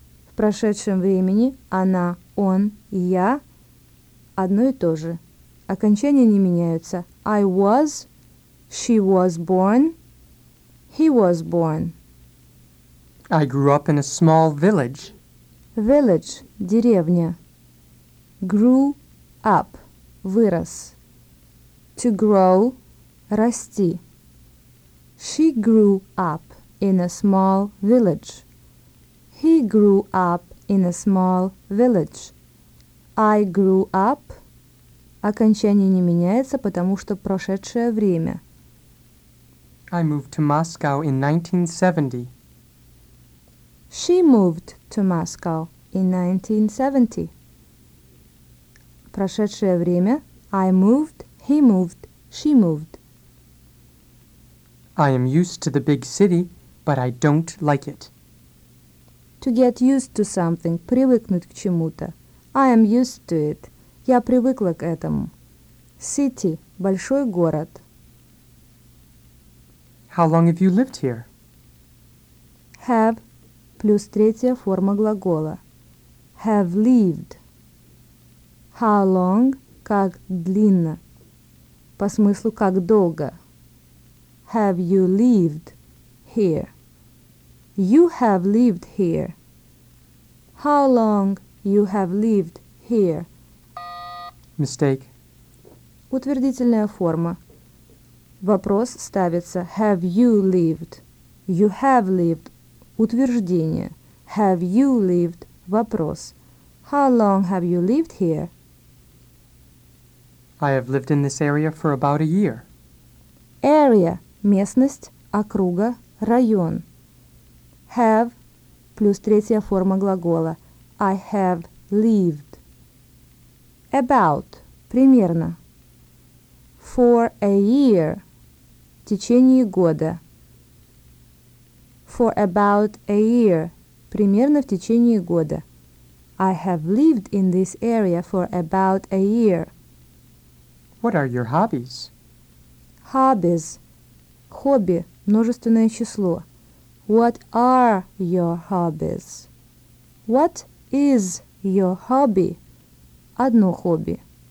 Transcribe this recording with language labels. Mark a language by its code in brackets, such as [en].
[ru] В прошедшем времени она, он, я одно и то же. Окончания не меняются. [en] I was, she was born, he was born. I grew up in a small village. Village, деревня. Grew up, вырос. To grow, расти. She grew up in a small village. He grew up in a small village. I grew up. [ru] Окончание не меняется, потому что прошедшее время. [en] I moved to Moscow in 1970. She moved to Moscow in 1970. [ru] прошедшее время. [en] I moved, he moved, she moved. I am used to the big city, but I don't like it. To get used to something, [ru] привыкнуть к чему-то. [en] I am used to it. [ru] Я привыкла к этому. City – большой город. [en] How long have you lived here? [ru] Have – плюс третья форма глагола. [en] Have lived. How long – [ru] как длинно. По смыслу как долго. [en] Have you lived here? You have lived here. How long you have lived here? Mistake. [ru] Утвердительная форма. Вопрос ставится [en] have you lived? You have lived. Утверждение. Have you lived? Вопрос. How long have you lived here? I have lived in this area for about a year. Area. [ru] Местность, округа, район. [en] Have. [ru] Плюс третья форма глагола. [en] I have lived. About. Примерно. For a year. [ru] В течение года. [en] For about a year. [ru] Примерно в течение года. [en] I have lived in this area for about a year. What are your hobbies? [ru] Hobbies. Хобби. Множественное число. [en] What are your hobbies? What is your hobby? [ru] Одно хобби.